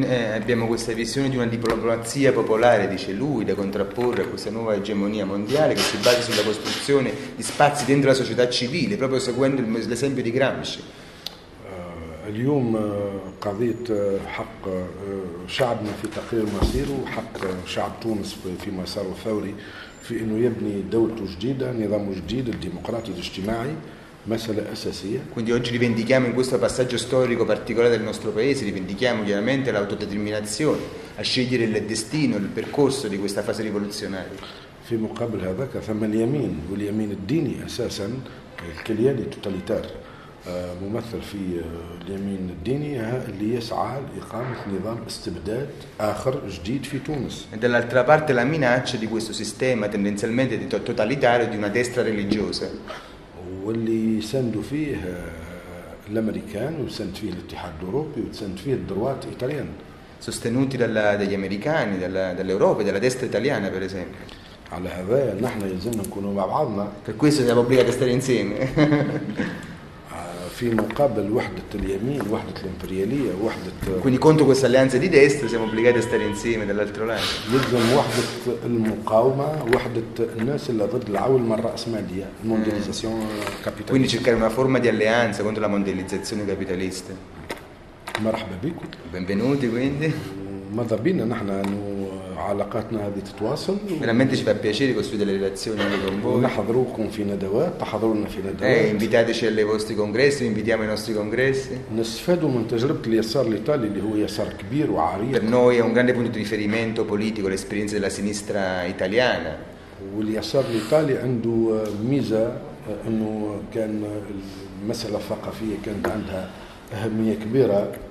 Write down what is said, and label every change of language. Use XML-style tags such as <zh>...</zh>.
<it>Quindi abbiamo questa visione di una diplomazia popolare, dice lui, da contrapporre a questa nuova egemonia mondiale che si basa sulla costruzione di spazi dentro la società civile, proprio seguendo l'esempio di Gramsci.</it> <ar>اليوم قضية حق شعبنا في تقرير مصيره وحق شعب تونس في مساره الثوري في أنه يبني دولته جديدة نظام جديد الديمقراطي الاجتماعي مسألة أساسية.</ar> <it>Quindi oggi rivendichiamo in questo passaggio storico particolare del nostro paese rivendichiamo chiaramente l'autodeterminazione a scegliere il destino il percorso di questa fase rivoluzionaria.</it> <ar>في مقابل هذا ثم اليمين واليمين الديني أساسا الكلياني توتاليتار ممثل في اليمين الديني اللي يسعى لإقامة نظام استبداد آخر جديد في تونس.</ar> <it>Dall'altra parte la minaccia di questo sistema tendenzialmente totalitario di una destra religiosa.</it> <ar>واللي يساندوا فيه الأمريكان ويساند فيه الاتحاد الأوروبي ويساند فيه الدروات الإيطاليان.</ar> <it>Sostenuti dagli americani, dall'Europa e dalla destra italiana per esempio.</it> <ar>على هذا نحن يلزمنا نكونوا مع بعضنا.</ar> <it>Per questo siamo obbligati a stare insieme.</it> <ar>في مقابل وحدة اليمين وحدة الإمبريالية وحدة.</ar> <it>Quindi contro questa alleanza di destra siamo obbligati a stare insieme dall'altro lato.</it> <ar>يلزم وحدة المقاومة وحدة الناس اللي ضد العولمة الرأسمالية</ar> <fr>المونديليزاسيون كابيتاليست.</fr> <it>Quindi cercare una forma di alleanza contro la mondializzazione capitalista.</it> <ar>مرحبا بكم.</ar> <it>Benvenuti quindi.</it> <ar>ماذا بينا نحن علاقاتنا هذه تتواصل.</ar> <it>Veramente ci fa piacere costruire delle relazioni con voi.</it> <ar>نحضركم في ندوات، تحضرونا في ندوات.</ar> <it>Invitateci alle vostre congressi, invitiamo i nostri congressi.</it> <ar>نستفادوا من تجربة اليسار الإيطالي اللي هو يسار كبير وعريق.</ar> <it>Per noi è un grande punto di riferimento politico l'esperienza della sinistra italiana.</it> <ar>واليسار الإيطالي عنده ميزة إنه كان المسألة الثقافية كانت عندها أهمية كبيرة.</ar>